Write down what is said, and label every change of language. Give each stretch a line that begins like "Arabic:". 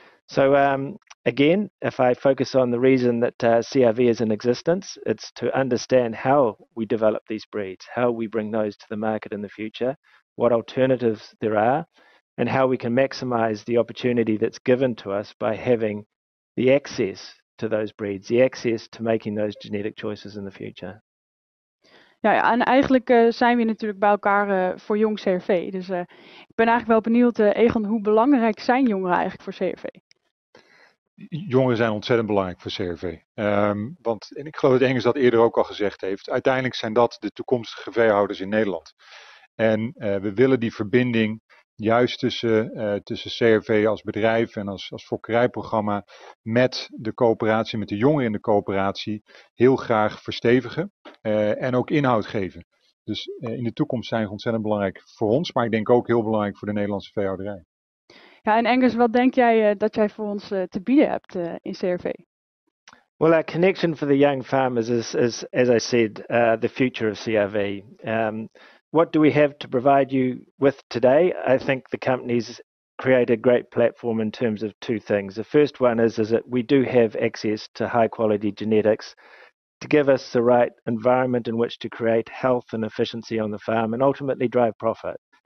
English: So again, if I focus on the reason that CRV is in existence, it's to understand how we develop these breeds, how we bring those to the market in the future, what alternatives there are, and how we can maximize the opportunity that's given to us by having the access to those breeds, the access to making those genetic choices in the future.
Dutch: Ja, en eigenlijk zijn we natuurlijk bij elkaar voor jong CRV. Dus ik ben eigenlijk wel benieuwd, Egon, hoe belangrijk zijn jongeren eigenlijk voor CRV? Jongeren zijn ontzettend belangrijk voor CRV. Want en ik geloof dat Engels dat eerder ook al gezegd heeft. Uiteindelijk zijn dat de toekomstige veehouders in Nederland. En we willen die verbinding juist tussen CRV als bedrijf en als fokkerijprogramma met de coöperatie, met de jongeren in de coöperatie, heel graag verstevigen en ook inhoud geven. Dus in de toekomst zijn ze ontzettend belangrijk voor ons, maar ik denk ook heel belangrijk voor de Nederlandse veehouderij. Ja, en Angus, wat denk jij dat jij voor ons te bieden hebt in CRV?
English: Well, our connection for the young farmers is, as I said, the future of CRV. What do we have to provide you with today? I think the companies create a great platform in terms of two things. The first one is that we do have access to high quality genetics to give us the right environment in which to create health and efficiency on the farm and ultimately drive profit.